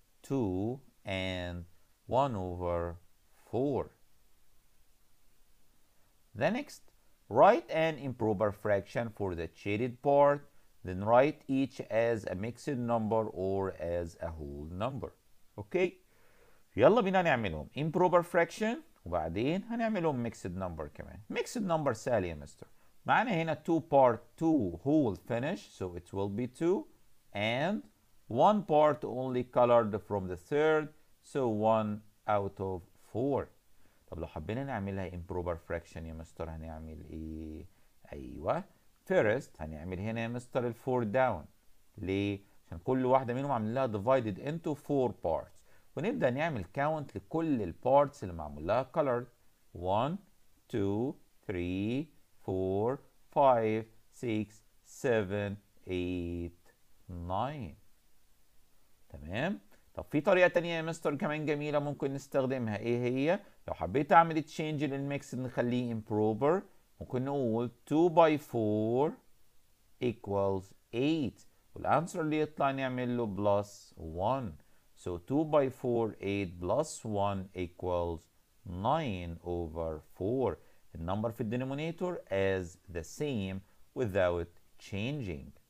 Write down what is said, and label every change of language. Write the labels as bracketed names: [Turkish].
[English] 2 and 1 over 4. The next, write an improper fraction for the cheated part. Then write each as a mixed number or as a whole number. Okay? [Arabic] يلا بينا نعملهم [English] improper fraction [Arabic] وبعدين هنعملهم mixed number كمان. Mixed number سهل يا مستر. معنا هنا [English] two part two whole finish so it will be two and one part only colored from the third so one out of four. [Arabic] طب لو حبينا نعملها improper fraction يا مستر هنعمل ايه؟ ايوه First, هنعمل هنا يا مستر الفور داون. ليه؟ عشان كل واحدة منهم عامل لها [English] divided into four parts. [Arabic] ونبدأ نعمل count لكل البارتس اللي معمول لها colored. [English] 1, 2, 3, 4, 5, 6, 7, 8, 9. [Arabic] تمام؟ طب في طريقة تانية يا مستر كمان جميلة ممكن نستخدمها. إيه هي؟ [English] لو حبيت أعمل change [Arabic] للميكس نخليه improper. [English] ممكن نقول 2 by 4 equals 8 [Arabic] والانسر اللي يطلع نعمل له [English] plus 1 so 2 by 4 8 plus 1 equals 9 over 4 the number في الدينومينيتور is the same without changing